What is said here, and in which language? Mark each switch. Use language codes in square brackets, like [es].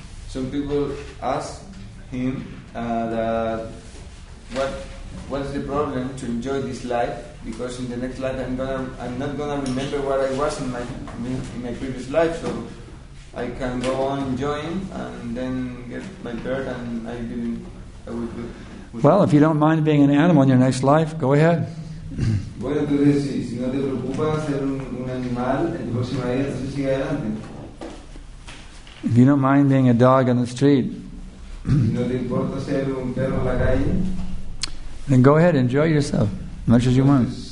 [en] Some people ask him that what's the problem to enjoy this life, because in the next life I'm not gonna remember what I was in my previous life, so I can go on enjoying and then get my bird and I will. Well, if you don't mind being an animal in your next life, go ahead. [es] Bueno, entonces si no te preocupa ser un animal en tu próxima vida, entonces sigue adelante. [en] If you don't mind being a dog on the street, then go ahead, enjoy yourself as much as you want.